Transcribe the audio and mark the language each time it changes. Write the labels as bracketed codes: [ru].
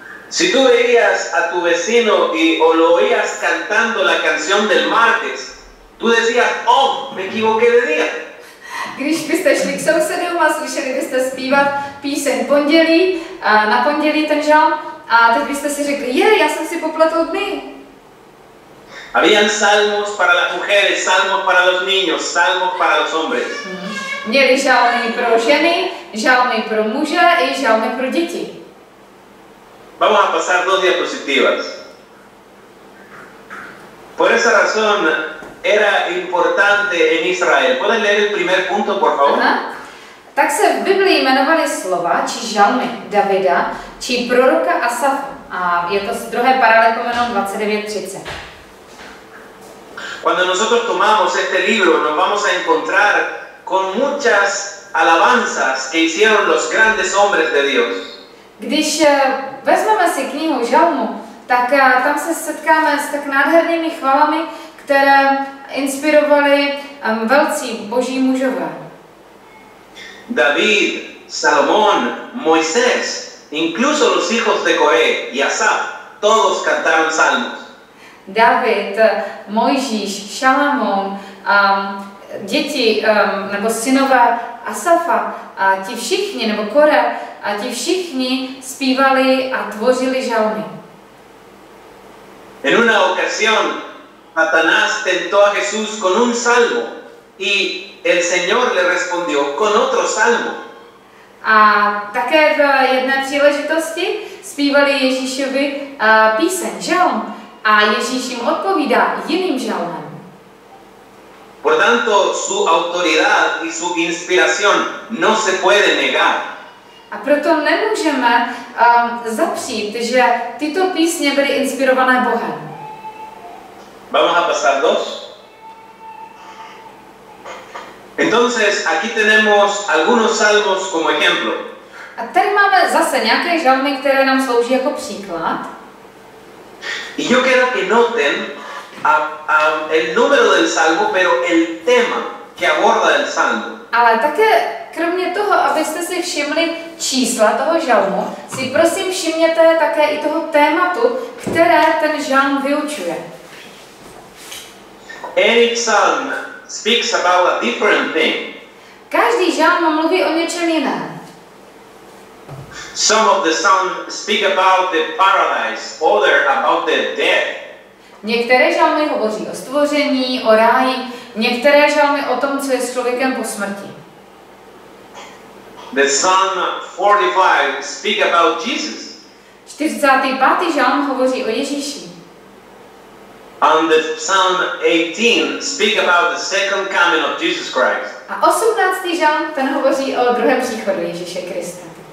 [es] Si tú veías a tu vecino y o lo oías cantando la canción del martes, tú decías, oh, me equivoqué de día. [cs] Když byste šli k sousedům a slyšeli byste zpívat píseň pondělí, na pondělí ten žal, a teď byste si řekli, je, já jsem si popletl dny. [es] Habían salmos para las mujeres, salmos para los niños, salmos para los hombres. [cs] Měli žalmy pro ženy, žalmy pro muže i žalmy pro děti. [es] Vamos a pasar dos diapositivas. Por esa razón, era importante en Israel. ¿Puedes leer el primer punto, por favor? [cs] Aha. Tak se v Biblii jmenovaly slova či žalmy Davida či proroka Asafa. A je to z druhé paralekomenon 29:30. [es] Cuando nosotros tomamos este libro, nos vamos a encontrar con muchas alabanzas que hicieron los grandes hombres de Dios. [cs] Když vezmeme si knihu žalmu, tak tam se setkáme s tak nádhernými chvalami, které inspirovali velcí boží mužové. [es] David, Salomón, Moisés, incluso los hijos de Coré y Asaf, todos cantaron salmos. [cs] David, Mojžíš, Šalamón, děti nebo synové Asafa, ti všichni, nebo Kore, ti všichni zpívali a tvořili žalmy. [es] En una ocasión, Satanás tentó a Jesús con un salmo y el Señor le respondió con otro salmo. [cs] A také v jedné příležitosti zpívali Ježíšovi píseň, žalm, a Ježíš jim odpovídá jiným žalmem. [es] Por tanto, su autoridad y su inspiración no se puede negar. [cs] A proto nemůžeme zapřít, že tyto písně byly inspirované Bohem. [es] Vamos a pasar dos. Entonces, aquí tenemos algunos salmos como ejemplo. [cs] A tady máme zase nějaké žalmy, které nám slouží jako příklad. [es] Y yo quiero que noten el número del salmo, pero el tema que aborda el salmo. [cs] Ale také kromě toho, abyste si všimli čísla toho žalmu, si prosím všimněte také i toho tématu, které ten žalm vyučuje. [en] Eric Salm speaks about a different thing. [cs] Každý žalm mluví o něčem jiném. [en] Some of the psalms speak about the paradise, other about the death. [cs] Některé žalmy hovoří o stvoření, o ráji, některé žalmy o tom, co je s člověkem po smrti. [en] The Psalm 45 speak about Jesus. [cs] 45. žalm hovoří o Ježíši. [en] And the Psalm 18 speak about the second coming of Jesus Christ. [cs] A 18. žalm, ten hovoří o druhém příchodu Ježíše Krista.